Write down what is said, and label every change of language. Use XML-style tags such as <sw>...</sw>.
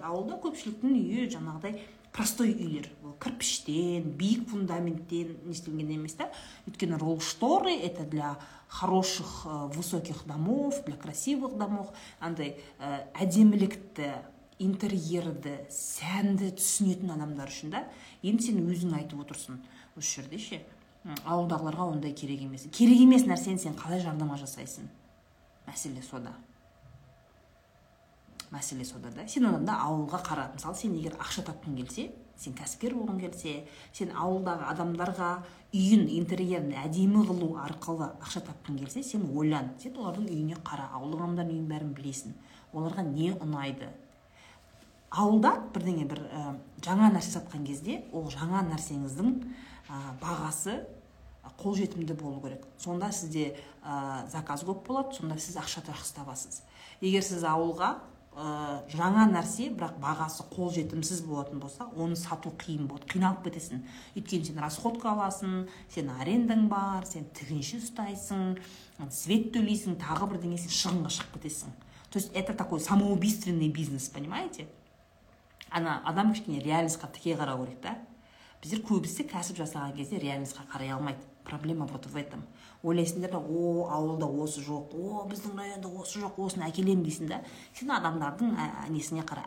<kk>Ауылда көпшіліктің үйі жаңағыдай простой үйлер. Ол кірпіштен, биік фундаменттен не істелген емес та. Өйткені ролшторы</kk> <ru>– это для хороших, высоких домов, для красивых домов.</ru> <kk>Андай әдемілікті, интерьерді, сәнді түсінетін адамдар үшін да. Енді сен өзің айтып отырсың. Осы жерде ше, ауылдағыларға ондай керек емес. Керек емес нәрсені сен қалай жарнама жасайсың? Мәселе сода, да? Сен адамда ауылға қара. Мысалы, сен егер ақша тапқың келсе, сен кәсіпкер болғың келсе, сен ауылдағы адамдарға үйін, интерьерін әдемі қылу арқылы ақша тапқың келсе, сен ойлан. Сен олардың үйіне қара, ауыл адамдарының үйін бәрін білесің. Оларға не ұнайды? Ауылда бірдеңе бір жаңа нәрсе сатқан кезде, ол жаңа нәрсеңіздің бағасы қолжетімді болу керек. Сонда сізде заказ көп болады, сонда сіз ақша жақсы табасыз. Егер сіз ауылға жаңа нәрсе, бірақ бағасы қолжетімсіз болатын болса, оны сату қиын болады, қиналып кетесің. Өйткені сен расходқа аласың, сен арендің бар, сен тігінші ұстайсың, свет төлейсің, тағы бірдеңе сен шығынға шығып кетесің.</kk> <ru>То есть это такой самоубийственный бизнес, понимаете?</ru> <kk>Адам кішкене реализға тіке қарау керек та. Біздер көбісі кәсіп жасаған кезде реализға қарай алмайды.</kk> <ru>Проблема вот в этом.</ru> <kk>Ойлайсыңдар да, о, ауылда осы жоқ, о, біздің районда осы жоқ, осыны әкелемін дейсің да. Сен адамдардың несіне қара.</kk>